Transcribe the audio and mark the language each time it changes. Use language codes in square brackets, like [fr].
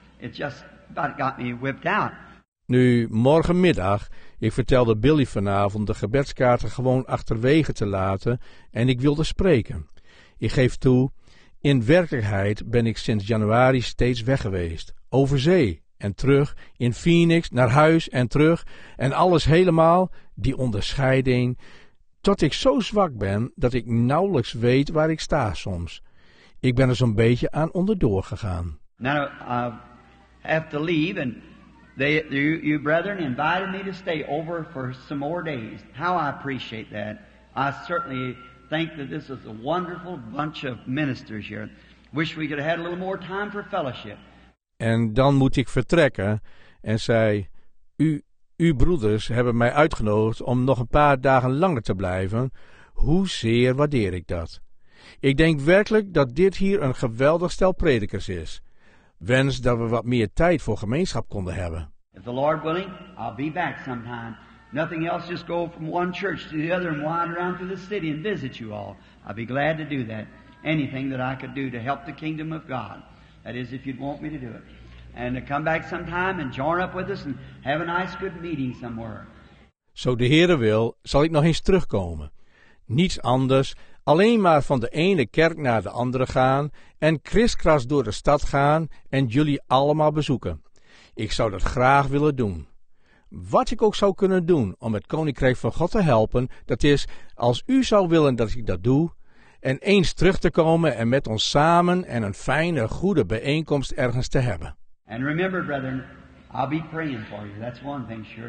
[en] It just about got me whipped out. [nl] Nu, morgenmiddag, ik vertelde Billy vanavond de gebedskaarten gewoon achterwege te laten en ik wilde spreken. Ik geef toe, in werkelijkheid ben ik sinds januari steeds weg geweest. Over zee en terug, in Phoenix, naar huis en terug en alles helemaal, die onderscheiding. Tot ik zo zwak ben dat ik nauwelijks weet waar ik sta soms. Ik ben er zo'n beetje aan onderdoor gegaan. [en] Now I have to leave and you brethren invited me to stay over for some more days. How I appreciate that. I certainly think that this is a wonderful bunch of ministers here. Wish we could have had a little more time for fellowship. [nl] En dan moet ik vertrekken en zei, uw broeders hebben mij uitgenodigd om nog een paar dagen langer te blijven. Hoezeer waardeer ik dat. Ik denk werkelijk dat dit hier een geweldig stel predikers is. Wens dat we wat meer tijd voor gemeenschap konden hebben. [en] If the Lord willing, I'll be back sometime. Nothing else, just go from one church to the other and wind around through the city and visit you all. I'd be glad to do that. Anything that I could do to help the kingdom of God. That is, if you'd want me to do it. And to come back sometime and join up with us and have a nice good meeting somewhere. [nl] Zo de Heere wil, zal ik nog eens terugkomen. Niets anders, alleen maar van de ene kerk naar de andere gaan en kriskras door de stad gaan en jullie allemaal bezoeken. Ik zou dat graag willen doen. wat ik ook zou kunnen doen om het Koninkrijk van God te helpen, dat is, als u zou willen dat ik dat doe, en eens terug te komen en met ons samen en een fijne, goede bijeenkomst ergens te hebben. [en] And remember, brethren, I'll be praying for you. That's one thing, sure.